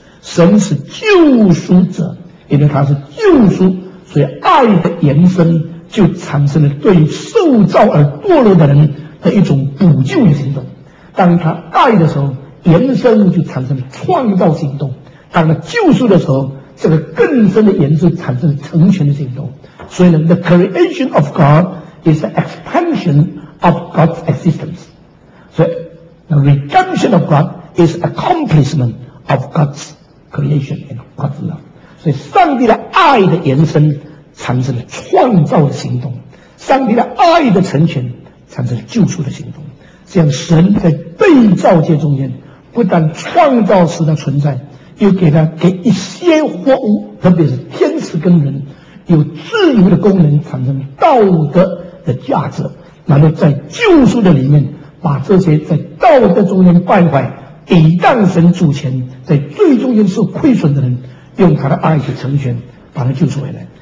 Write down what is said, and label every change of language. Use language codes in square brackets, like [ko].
[zh] 神是救赎者，因为他是救赎，所以爱的延伸就产生了对受造而堕落的人的一种补救的行动。当他爱的时候，延伸就产生了创造行动；当他救赎的时候，这个更深的延伸产生了成全的行动。所以呢 [en] the creation of God is the expansion of God's existence， 所以 the redemption of God is accomplishment of God's creation and God's love。 [zh] 所以上帝的爱的延伸产生了创造的行动，上帝的爱的成全产生了救赎的行动。这样神在被造界中间不但创造时的存在，又给他给一些活物，特别是天使跟人，有自由的功能，产生道德的价值，然后在救赎的里面把这些在道德中间败坏抵挡神主权在最中间受亏损的人，用他的爱去成全，把他救赎回来。